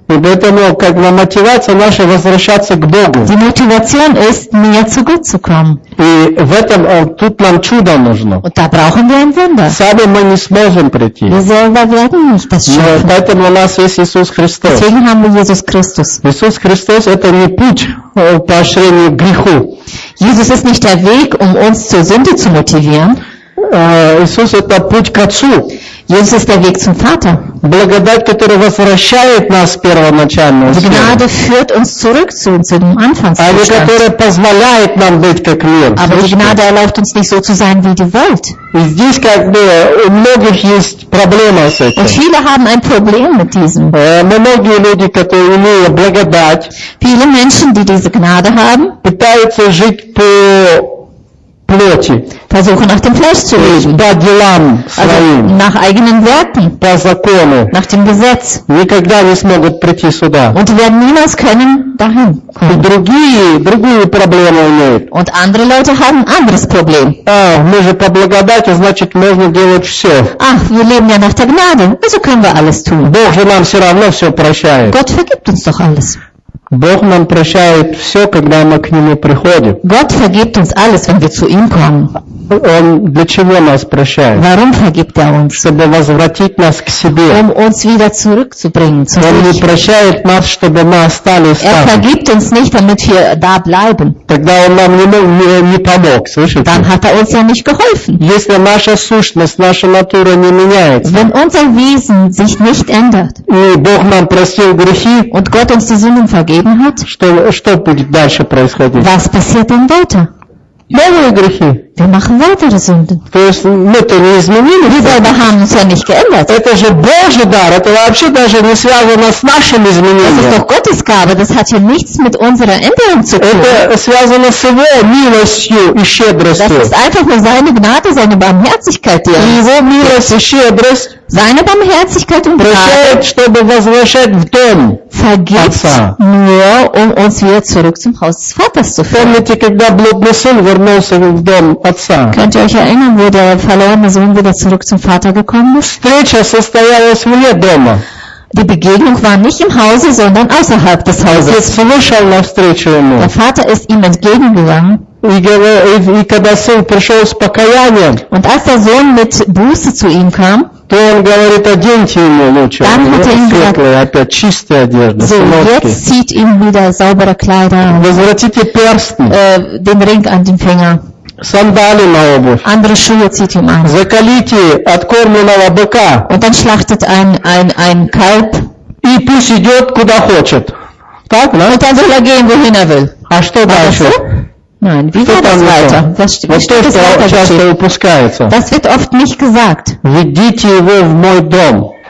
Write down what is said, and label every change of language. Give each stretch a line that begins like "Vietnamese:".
Russian: И поэтому, как бы, мотивация наша возвращаться к Богу.
German: Die Motivation ist, mir zu Gott zu kommen.
Russian: И в этом, тут нам чудо нужно.
German: Und da brauchen wir ein Wunder.
Russian: Сами мы не сможем прийти.
German: Wir selber werden nicht das schaffen.
Russian: Но поэтому у нас есть Иисус Христос.
German: Deswegen haben wir Jesus Christus.
Russian: Иисус Христос – это не путь поощрения к греху.
German: Jesus ist nicht der Weg, um uns zur Sünde zu motivieren.
Russian: Иисус – это путь к Отцу.
German: Jesus ist der Weg zum Vater.
Russian: Благодать, которая возвращает нас первоначально.
German: Gnade führt uns zurück zu unserem Anfangszustand. Aber
Russian: которая позволяет нам быть как мир.
German: Aber die Gnade erlaubt uns nicht so zu sein wie die Welt.
Russian: Здесь как бы у многих есть проблема с этим.
German: Und viele haben ein Problem mit diesem.
Russian: Многие люди, которые имеют благодать.
German: Viele Menschen, die diese Gnade haben.
Russian: Пытаются жить по плоти.
German: Versuchen nach dem Fleisch zu leben.
Russian: По делам своим.
German: Also nach eigenen Werten.
Russian: По закону.
German: Nach dem Gesetz.
Russian: Никогда не смогут прийти сюда.
German: Und werden niemals können dahin.
Russian: И другие проблемы имеют.
German: Und andere Leute haben anderes Problem.
Russian: А, мы же по благодати, значит, можно делать все.
German: Ach, wir leben ja nach der Gnade. Also können wir alles tun.
Russian: Бог же нам все равно все прощает.
German: Gott vergibt uns doch alles.
Russian: Бог нам прощает все, когда мы к Нему приходим.
German: Gott vergibt uns alles, wenn wir zu ihm kommen.
Russian: Он для чего нас прощает?
German: Warum vergibt er uns?
Russian: Чтобы возвратить нас к себе.
German: Um uns wieder zurückzubringen.
Russian: Он не прощает нас, чтобы мы остались там.
German: Er vergibt uns nicht, damit wir da bleiben.
Russian: Тогда он нам не помог, слышите?
German: Dann hat er uns ja nicht geholfen.
Russian: Если наша сущность, наша натура не меняется.
German: Wenn unser Wesen sich nicht ändert.
Russian: И Бог нам простил грехи.
German: Und Gott uns die Sünden vergeben hat.
Russian: Что будет дальше происходить?
German: Was passiert denn weiter?
Russian: Новые грехи.
German: Wir machen weitere Sünden.
Russian: То есть мы-то не изменили.
German: Wir selber haben uns ja nicht geändert.
Russian: Это же Божий дар. Это вообще даже не связано с нашим изменением.
German: Das ist doch Gottes Gabe. Das hat ja nichts mit unserer Änderung zu tun.
Russian: Это связано с Его милостью и щедростью.
German: Das ist einfach nur seine Gnade, seine Barmherzigkeit.
Russian: И Его милость и щедрость.
German: Seine Barmherzigkeit und Gnade vergibt nur, um uns wieder zurück zum Haus des Vaters zu führen. Wenn ihr,
Russian: когда блудный сын вернулся в дом отца.
German: Könnt ihr euch erinnern, wo der verlorene Sohn wieder zurück zum Vater gekommen ist?
Russian: Встреча состоялась вне дома.
German: Die Begegnung war nicht im Hause, sondern außerhalb des Hauses.
Russian: Вышел навстречу ему.
German: Der Vater ist ihm entgegengegangen.
Russian: И когда сын пришел с покаянием,
German: und als der Sohn mit Buße zu ihm kam,
Russian: то он говорит, оденьте ему лучше,
German: dann hat er ihm gesagt,
Russian: опять чистые одежды,
German: so,
Russian: сыночки.
German: Jetzt zieht ihm wieder saubere Kleider an.
Russian: Возвратите перстни.
German: Den Ring an den Finger.
Russian: Сандали на обувь.
German: Andere Schuhe zieht ihm an.
Russian: Закалите откормленного быка.
German: Und dann schlachtet ein Kalb.
Russian: И пусть идет куда хочет. Так, да?
German: Und dann soll er gehen, wohin er will.
Russian: А что дальше?
German: Nein, wie geht das weiter? Das wird oft nicht gesagt.
Russian: Ведите его в мой дом.